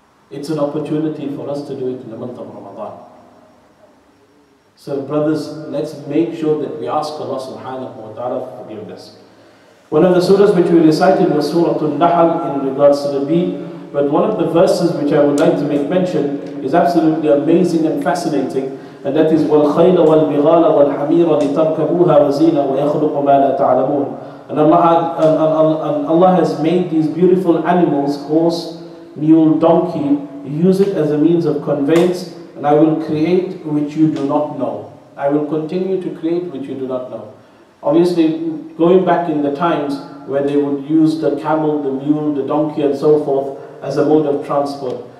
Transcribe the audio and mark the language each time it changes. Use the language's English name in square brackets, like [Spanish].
[English] It's an opportunity for us to do it in the month of Ramadan. So brothers, let's make sure that we ask Allah subhanahu wa ta'ala for forgiveness. One of the surahs which we recited was Surah An-Nahl in regards to the bee. But one of the verses which I would like to make mention is absolutely amazing and fascinating. And that is, [Arabic] وَالْخَيْلَ وَالْبِغَالَ وَالْحَمِيرَ لِتَرْكَبُوهَا وَزِينَ وَيَخْلُقُ مَا لَا تَعْلَمُونَ. [English] And Allah has made these beautiful animals, horse, mule, donkey, use it as a means of conveyance, and I will create which you do not know. I will continue to create which you do not know. Obviously, going back in the times where they would use the camel, the mule, the donkey and so forth as a mode of transport.